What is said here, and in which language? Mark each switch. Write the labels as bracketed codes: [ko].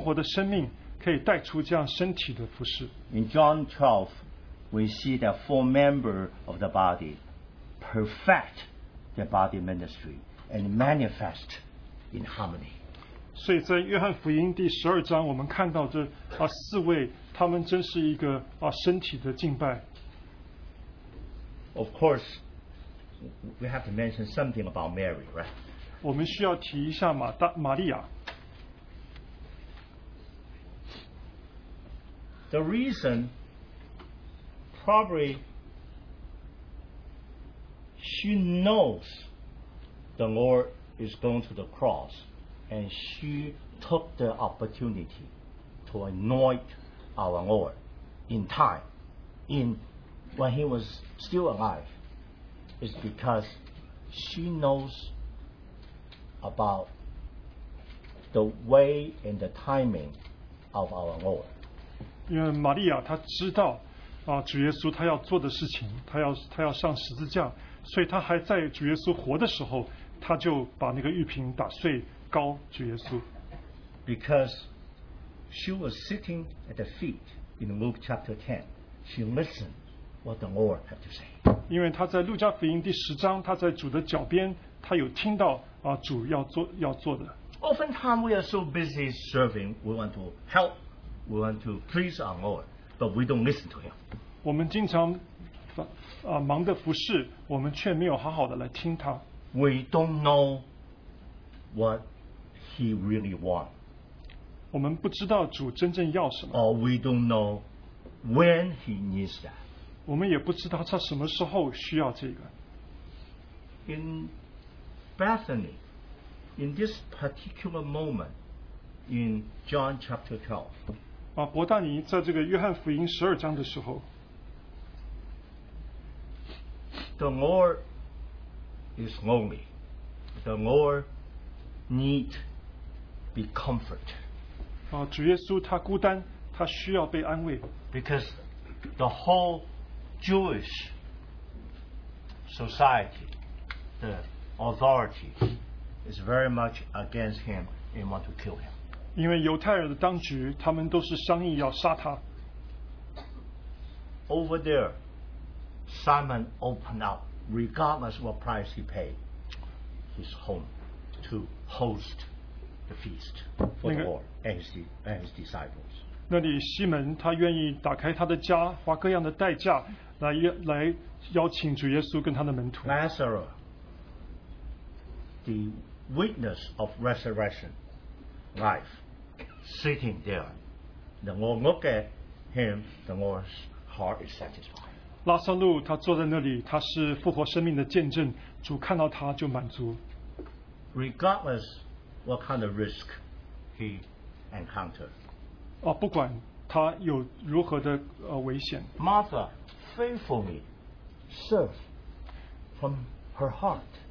[zh] 只有一个复活的生命可以带出这样身体的服事。 [en] In John 12, we see that four members of the body perfect their body ministry and manifest in harmony. [zh] 所以在约翰福音第十二章，我们看到这 四位，他们真是一个 身体的敬拜。 [en] Of course, we have to mention something about Mary, right? [zh] 我们需要提一下玛利亚。 [en] The reason probably she knows the Lord is going to the cross and she took the opportunity to anoint our Lord in time, in when he was still alive, is because she knows about the way and the timing of our Lord. [zh] 因为玛利亚她知道, 主耶稣他要做的事情, 他要上十字架, 所以他还在主耶稣活的时候, 他就把那个玉瓶打碎, 高主耶稣。 [en] Because she was sitting at the feet in Luke chapter 10, she listened what the Lord had to say. [zh] 因为他在路加福音第十章, 他在主的脚边, 他有听到, 主要做的。 [en] Oftentimes we are so busy serving, we want to help, we want to please our Lord, but we don't listen to him. [zh] 我们经常, 忙的服事, 我们却没有好好的来听他。 [en] We don't know what he really wants. [zh] 我们不知道主真正要什么。 [en] Or we don't know when he needs that. [zh] 我们也不知道他什么时候需要这个。 [en] In Bethany, in this particular moment, in John chapter 12, [zh] 伯大尼在这个约翰福音十二章的时候, [en] the Lord is lonely. The Lord need be comforted. [zh] 主耶稣他孤单, 他需要被安慰。 [en] Because the whole Jewish society, the authority is very much against him and want to kill him. [zh] 因为犹太人的当局, 他们都是商议要杀他。 [en] Over there, Simon opened up, regardless what price he paid, his home to host the feast for the Lord and his disciples. [zh] 那里西门他愿意打开他的家, 花各样的代价, 来邀请主耶稣跟他的门徒。 [en] Lazarus, the witness of resurrection life sitting there. The more look at him, the more his heart is satisfied. [zh] 拉撒路他坐在那里，他是复活生命的见证。主看到他就满足。 [en] Regardless what kind of risk he encountered. [zh] 不管他有如何的危险。 [en] Martha faithfully served from her heart.